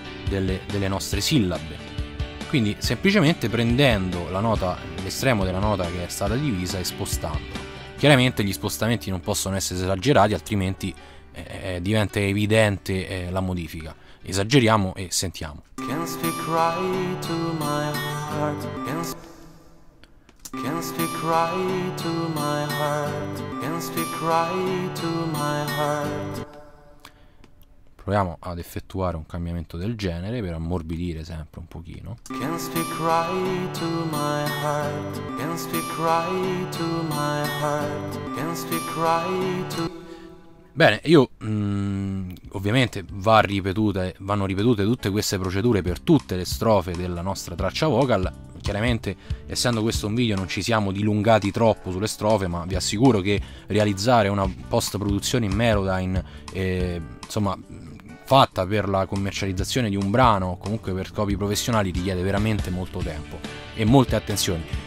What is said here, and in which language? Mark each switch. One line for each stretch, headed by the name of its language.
Italian: delle nostre sillabe. Quindi semplicemente prendendo la nota, l'estremo della nota che è stata divisa e spostando. Chiaramente gli spostamenti non possono essere esagerati, altrimenti diventa evidente la modifica. Esageriamo e sentiamo.
English: Can't speak right to my heart. Can't speak right to my heart. Can't speak right to my heart.
Italian: Proviamo ad effettuare un cambiamento del genere per ammorbidire sempre un pochino.
English: Can't speak right to my heart. Can't speak right to my heart. Can't speak right to.
Italian: Bene, io ovviamente vanno ripetute tutte queste procedure per tutte le strofe della nostra traccia vocal. Chiaramente, essendo questo un video, non ci siamo dilungati troppo sulle strofe, ma vi assicuro che realizzare una post-produzione in Melodyne, insomma, fatta per la commercializzazione di un brano o comunque per scopi professionali, richiede veramente molto tempo e molte attenzioni.